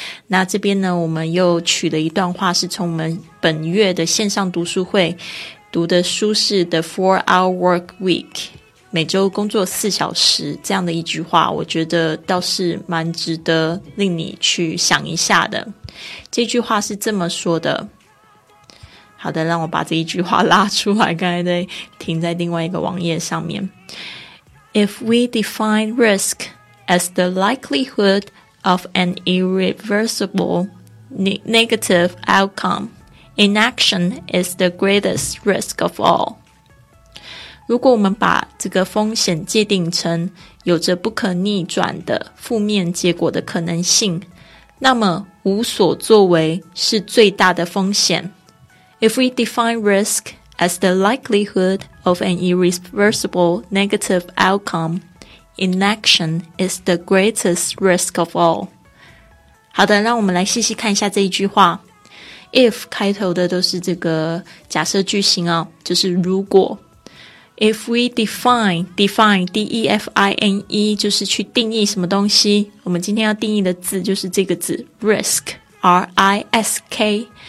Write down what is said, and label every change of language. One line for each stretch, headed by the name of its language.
Chinese: 那这边呢，我们又取了一段话，是从我们本月的线上读书会读的书，是 The Four-Hour Work Week， 每周工作四小时这样的一句话，我觉得倒是蛮值得令你去想一下的。这句话是这么说的，好的，让我把这一句话拉出来，刚才在停在另外一个网页上面。
English: If we define risk as the likelihood of an irreversible negative outcome, inaction is the greatest risk of all.
Chinese: 如果我们把这个风险界定成有着不可逆转的负面结果的可能性，那么无所作为是最大的风险。
English: If we define risk as the likelihood of an irreversible negative outcome, inaction is the greatest risk of all.
Chinese: 好的，让我们来细细看一下这一句话。If 开头的都是这个假设句型啊，就是如果。
English: If we define,
Chinese: D-E-F-I-N-E, 就是去定义什么东西。我们今天要定义的字就是这个字 ,risk, R-I-S-K.